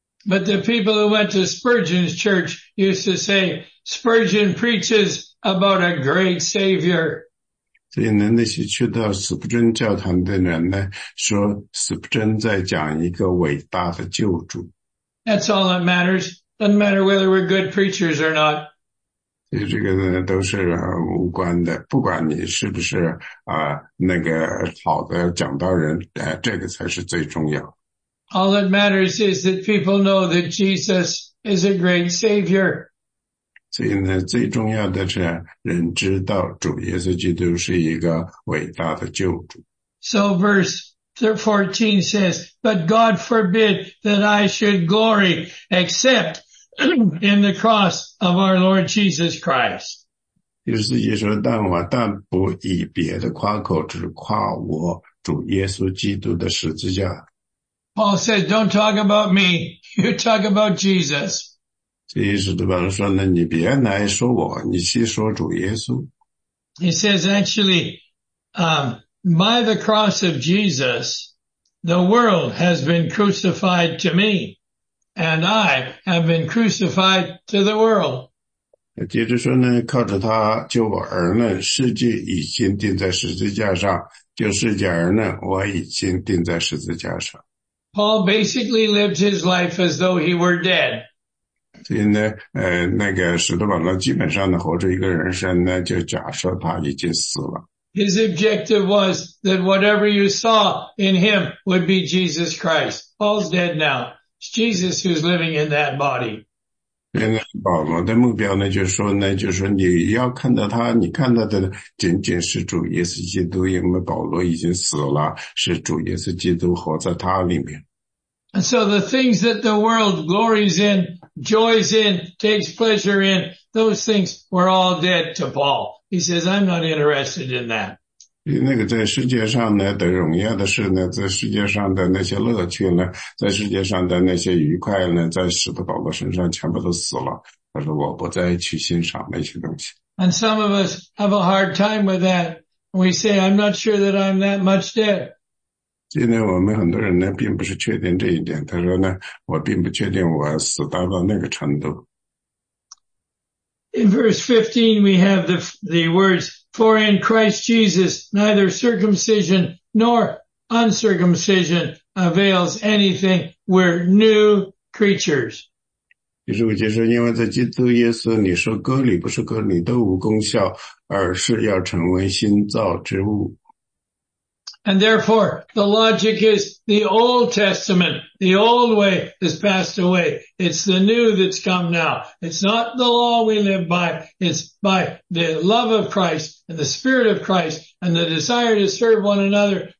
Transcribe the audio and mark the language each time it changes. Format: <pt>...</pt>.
<en>But the people who went to Spurgeon's church used to say, Spurgeon preaches about a great savior.</en> <zh>所以呢那些去到斯普珍教堂的人呢，说斯普珍在讲一个伟大的救主。</zh> <en>That's all that matters. Doesn't matter whether we're good preachers or not.</en> <zh>这个都是无关的，不管你是不是那个好的讲道人，这个才是最重要。</zh> <en>All that matters is that people know that Jesus is a great savior.</en> <zh>所以呢，最重要的是人知道主耶稣基督是一个伟大的救主。</zh> <en>So verse. 14 says, but God forbid that I should glory except in the cross of our Lord Jesus Christ.</en> <zh>第十四节说，但我但不以别的夸口，只夸我主耶稣基督的十字架。</zh> <en>Paul says, don't talk about me, you talk about Jesus.</en> <zh>这意思对吧，说呢，你别来说我，你去说主耶稣。</zh> <en>He says, actually, By the cross of Jesus, the world has been crucified to me, and I have been crucified to the world.</en> <zh>接着说呢，靠着他救我儿呢，世界已经钉在十字架上，救世界儿呢，我已经钉在十字架上。</zh> <en>Paul basically lived his life as though he were dead.</en> <zh>所以呢，那个使徒保罗基本上呢，活着一个人生呢，就假设他已经死了。</zh> <en>His objective was that whatever you saw in him would be Jesus Christ. Paul's dead now. It's Jesus who's living in that body.</en> <zh>保罗的目标呢，就是说呢，就是你要看到他，你看到的仅仅是主耶稣基督，因为保罗已经死了，是主耶稣基督活在他里面。</zh> <en>And so the things that the world glories in, joys in, takes pleasure in, those things were all dead to Paul. He says, I'm not interested in that.</en> <zh>那个在世界上呢的荣耀的事呢，在世界上的那些乐趣呢，在世界上的那些愉快呢，在使徒保罗身上全部都死了。他说我不再去欣赏那些东西。</zh> <en>And some of us have a hard time with that. We say, I'm not sure that I'm that much dead.</en> <zh>今天我们很多人呢并不是确定这一点。他说呢，我并不确定我死到那个程度。</zh> <en>In verse 15, we have the words, For in Christ Jesus, neither circumcision nor uncircumcision avails anything. We're new creatures.</en> <zh>第十五节说, 因为在基督耶稣你受割礼不是割礼都无功效而是要成为新造之物。</zh> <en>And therefore, the logic is the Old Testament, the old way has passed away. It's the new that's come now. It's not the law we live by. It's by the love of Christ and the Spirit of Christ and the desire to serve one another.</en>